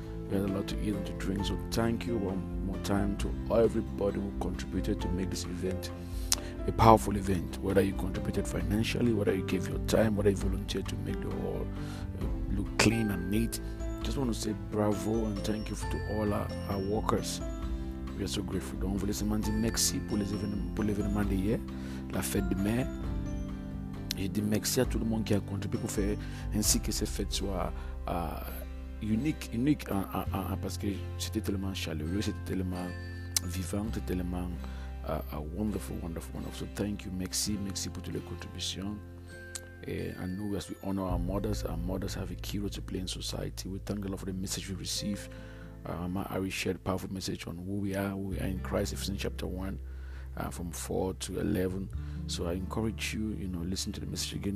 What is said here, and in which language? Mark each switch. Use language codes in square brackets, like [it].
[en] We had a lot to eat and to drink. So thank you one more time to everybody who contributed to make this event a powerful event. Whether you contributed financially, whether you gave your time, whether you volunteered to make the hall look clean and neat. Just want to say bravo and thank you to all our workers. We are so grateful. [fr] Donc, on voulait seulement dire merci pour l'événement d'hier, la fête de mai. Je dis merci à tout le monde qui a contribué pour faire ainsi que cette fête soit unique parce que c'était tellement chaleureux, c'était tellement vivant, c'était tellement wonderful. [en] So thank you, [fr] merci pour toutes les contributions. [en] And [fr] nous, [en] as we honor our mothers have a key role to play in society. We thank God for the message we received. Ari shared a powerful message on who we are. We are in Christ, Ephesians chapter 1, from 4 to 11. So I encourage you, you know, listen to the message again.